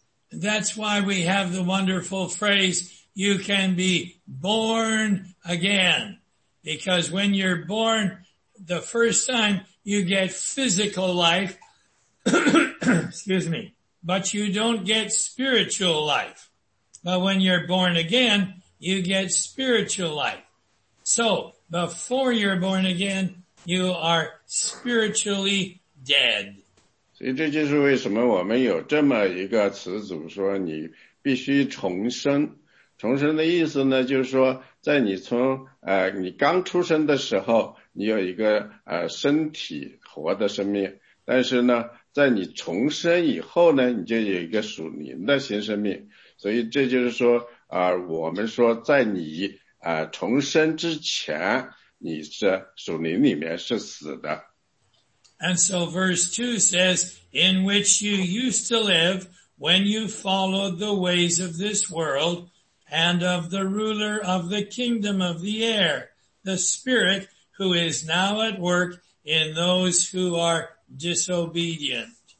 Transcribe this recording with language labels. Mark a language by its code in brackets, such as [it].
[en] That's why we have the wonderful phrase, you can be born again. Because when you're born the first time, you get physical life, excuse me, but you don't get spiritual life. But when you're born again,you get spiritual life. So, before you're born again, you are spiritually dead. [zh] 所以这就是为什么我们有这么一个词组，说你必须重生。重生的意思呢，就是说在你从你刚出生的时候，你有一个身体活的生命，但是呢在你重生以后呢，你就有一个属灵的新生命。所以这就是说我们说在你重生之前，你是属灵里面是死的。 [en] And so verse 2 says, in which you used to live when you followed the ways of this world and of the ruler of the kingdom of the air, the spirit who is now at work in those who are disobedient.